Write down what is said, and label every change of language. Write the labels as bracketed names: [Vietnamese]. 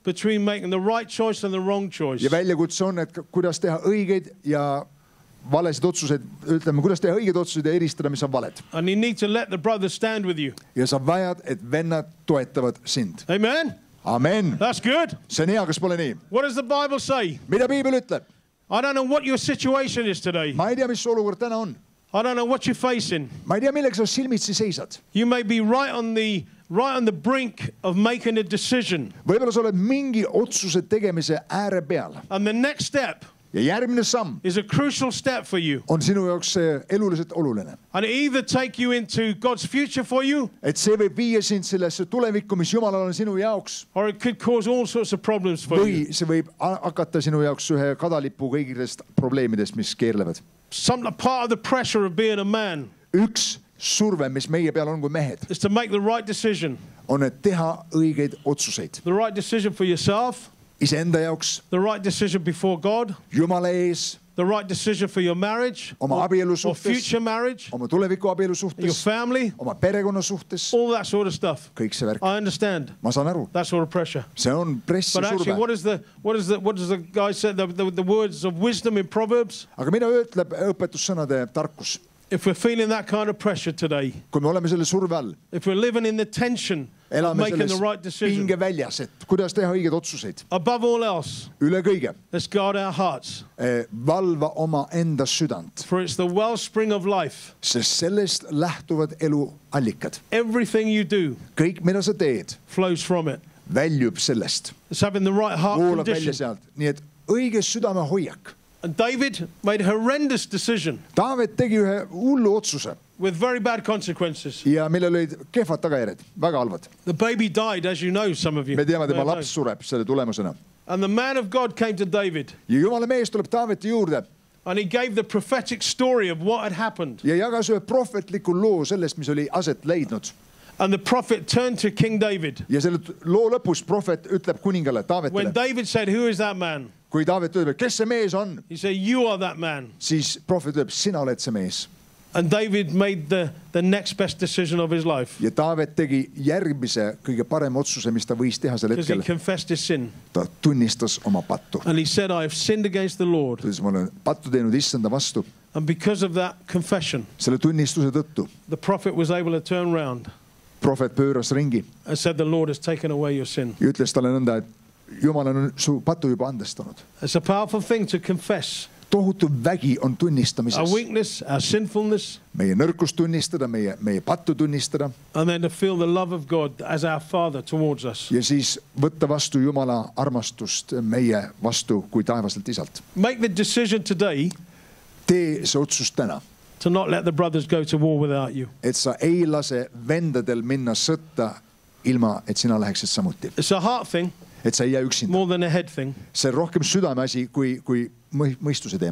[English] Between making the right choice and the wrong choice. [Estonian] Ja väljakuts on, et kuidas teha õigeid ja valesid otsused, ütleme, kuidas teha õiged otsused ja eristada, mis on valed. [English] And you need to let the brothers stand with you. [Estonian] Ja sa vajad, et vennad toetavad sind. [English] Amen. [Estonian] Amen. [English] That's good. [Estonian] See on hea, kas pole nii. [English] What does the Bible say? [Estonian] Mida Piibel ütleb? [English] I don't know what your situation is today. [Estonian] Ma ei tea, mis olukord täna on. [English] I don't know what you're facing. [Estonian] Ma ei tea, milleks sa silmitsi seisad. [English] You may be right on the brink of making a decision. [Estonian] Võib-olla sa oled mingi otsuse tegemise ääre peal. [English] And the next step [Estonian] ja järgmine samm [English] is a crucial step for you. [Estonian] On sinu jaoks see eluliselt oluline. [English] And it either take you into God's future for you. [Estonian] Et see võib viia sind sellesse tulevikku, mis Jumalal on sinu jaoks. [English] Or it could cause all sorts of problems for [Estonian] või [English] you. [Estonian] Või see võib hakata sinu jaoks ühe kadalipu kõigidest probleemidest, mis keerlevad. [English] Some part of the pressure of being a man. [Estonian] Üks surve, mis meie peal on kui mehed. [English] Is to make the right decision. [Estonian] On, et teha õigeid otsuseid. [English] The right decision for yourself. [Estonian] Isenda jaoks. [English] The right decision before God. [Estonian] Jumala ees. [English] The right decision for your marriage. [Estonian] Oma abielu suhtes. [English] Or future marriage. [Estonian] Oma tuleviku abielu suhtes. [English] Your family. [Estonian] Oma perekonna suhtes. [English] All that sort of stuff. [Estonian] Kõik see värk. [English] I understand. [Estonian] Ma saan aru. [English] That sort of pressure. [Estonian] See on pressi [English] surve. But actually, what does the guy say? The words of wisdom in Proverbs. [Estonian] Aga mida ütleb õpetussõnade tarkus? [English] If we're feeling that kind of pressure today. [Estonian] Kui me oleme selle surve all. [English] If we're living in the tension. Making the right decision. [Estonian] Pinge väljas, et kuidas teha õiged otsuseid. [English] Above all else. [Estonian] Üle kõige. [English] Let's guard our hearts. [Estonian] Valva oma enda südant. [English] For it's the wellspring of life. [Estonian] Sest sellest lähtuvad elu allikad. [English] Everything you do. [Estonian] Kõik, mida sa teed. [English] Flows from it. [Estonian] Väljub sellest. [English] It's having the right heart [Estonian] Voola [English] condition. [Estonian] Välja sealt. Nii et õige südame hoiak. [English] And David made a horrendous decision. [Estonian] David tegi ühe hullu otsuse. [English] With very bad consequences. [Estonian] Ja millel olid kehvad tagajärjed, väga halvad. [English] The baby died, as you know, some of you. [Estonian] Me teame, tema laps sureb selle tulemusena. [English] And the man of God came to David. [Estonian] Ja Jumala mees tuleb Daaviti juurde. [English] And he gave the prophetic story of what had happened. [Estonian] Ja jagas ühe prohvetliku loo sellest, mis oli aset leidnud. [English] And the prophet turned to King David. [Estonian] Ja selle loo lõpus prohvet ütleb kuningale, Daavitile. [English] When David said, who is that man? [Estonian] Kui Daavit ütleb, kes see mees on? [English] He said, you are that man. [Estonian] Siis prohvet ütleb, sina oled see mees. [English] And David made the next best decision of his life. [Estonian] Ja David tegi järgmise kõige parem otsuse, mis ta võis teha sel hetkel. [English] Because he confessed his sin. [Estonian] Ta tunnistas oma pattu. [English] And he said, I have sinned against the Lord. [Estonian] Siis ma olen pattu teinud issanda vastu. [English] And because of that confession. [Estonian] Selle tunnistuse tõttu. [English] The prophet was able to turn around. [Estonian] Prophet pööras ringi. [English] And said, the Lord has taken away your sin. [Estonian] Ja ütles talle nõnda, et Jumal on su pattu juba andestanud. [English] It's a powerful thing to confess. [Estonian] Tohutu vägi on tunnistamises. [English] Our weakness, our sinfulness. [Estonian] Meie nõrkus tunnistada, meie pattu tunnistada. [English] And then to feel the love of God as our Father towards us. [Estonian] Ja siis võtta vastu Jumala armastust meie vastu kui taevaselt isalt. [English] Make the decision today. [Estonian] Tee see otsus täna. [English] To not let the brothers go to war without you. [Estonian] Et sa ei lase vendadel minna sõtta ilma, et sina läheksid samuti. [English] It's a heart thing. [Estonian] Et sa ei jää üksinda. [English] More than a head thing. [Estonian] See on rohkem südame asi kui mõistuse teema.